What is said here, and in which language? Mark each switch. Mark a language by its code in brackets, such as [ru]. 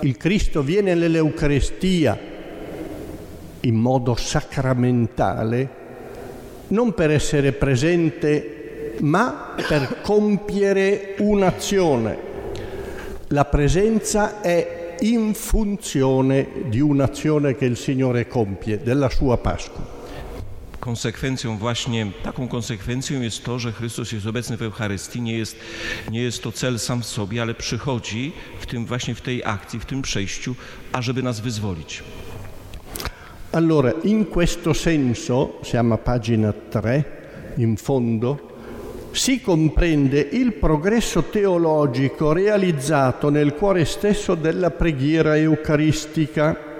[it] Il Cristo viene nell'Eucarestia in modo sacramentale, non per essere presente, ma per compiere un'azione. La presenza è in funzione di un'azione che il Signore compie, della sua Pasqua. [pl] Konsekwencją właśnie, taką konsekwencją jest to, że Chrystus jest obecny w Eucharystii, nie jest to cel sam w sobie, ale przychodzi w tym właśnie w tej akcji, w tym przejściu, ażeby nas wyzwolić. [it] Allora, in questo senso, siamo a pagina 3, in fondo, si comprende il progresso teologico realizzato nel cuore stesso della preghiera eucaristica.